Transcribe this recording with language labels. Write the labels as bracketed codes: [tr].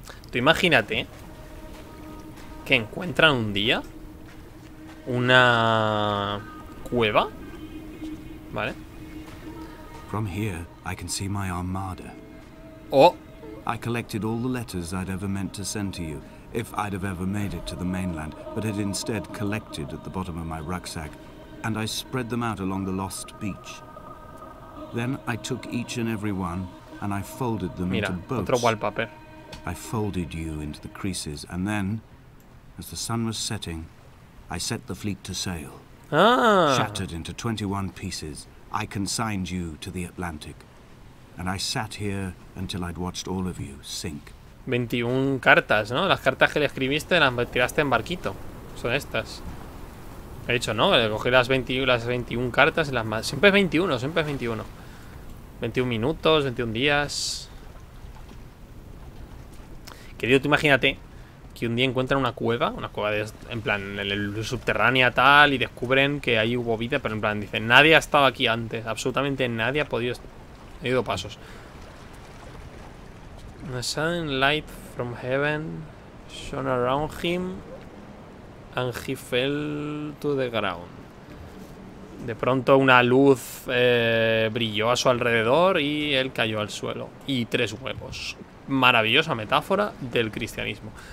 [es] Tú imagínate que encuentran un día una cueva, ¿vale? [en] From here, I can see my armada. Oh. I collected all the letters I'd ever meant to send to you, if I'd have ever made it to the mainland, but had instead collected at the bottom of my rucksack, and I spread them out along the lost beach. Then I took each and every one, and I folded them [es] Mira, [en] into boats. [es] Otro wallpaper. [en] I folded you into the creases, and then, as the sun was setting, I set the fleet to sail. Ah. Shattered into 21 pieces, I consigned you to the Atlantic. And I sat here until I'd watched all of you sink. [es] 21 cartas, ¿no? Las cartas que le escribiste las tiraste en barquito. Son estas. He dicho, ¿no? Le cogí las 21 cartas y las más. Siempre es 21, siempre es 21. 21 minutos, 21 días. Querido, tú imagínate que un día encuentran una cueva de, en plan en el subterránea tal y descubren que ahí hubo vida, pero en plan dicen, nadie ha estado aquí antes, absolutamente nadie ha podido. He ido pasos. [en] A sudden light from heaven shone around him and he fell to the ground. [es] De pronto una luz brilló a su alrededor y él cayó al suelo. Y tres huevos. Maravillosa metáfora del cristianismo.